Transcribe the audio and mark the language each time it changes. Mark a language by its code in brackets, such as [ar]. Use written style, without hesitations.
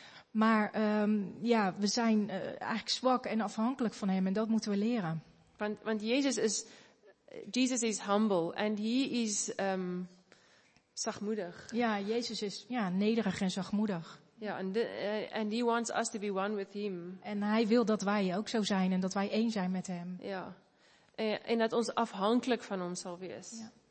[nl] Maar we zijn eigenlijk zwak en afhankelijk van hem en dat moeten we leren. Want Jezus is humble en hij is zachtmoedig. Ja, Jezus is nederig en zachtmoedig. [en] Ja, and he wants us to be one with him. [nl] En hij wil dat wij ook zo zijn en dat wij één zijn met hem. Ja, en dat ons afhankelijk van hem zal wees.